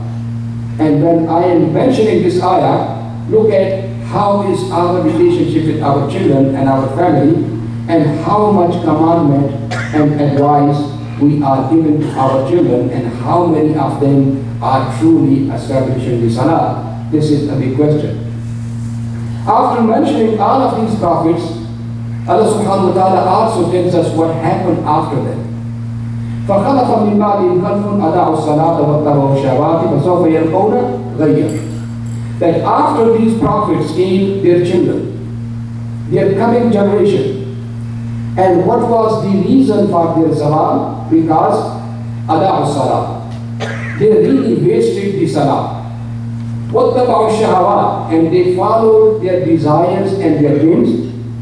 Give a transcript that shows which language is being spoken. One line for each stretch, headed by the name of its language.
English: And when I am mentioning this ayah, look at how is our relationship with our children and our family, and how much commandment and advice we are giving to our children, and how many of them are truly establishing the salah. This is a big question. After mentioning all of these prophets, Allah subhanahu wa ta'ala also tells us what happened after them.
Arabic: فخلف من بعدهم خلف أدعوا الصلاة واتبعوا الشهوات فسوف يلقون غيا.
English: That after these prophets came their children, their coming generation. And what was the reason for their zawal? Because
Arabic: أدعوا الصلاة.
English: They really wasted the salah.
Arabic: واتبعوا الشهوات,
English: and they followed their desires and their dreams.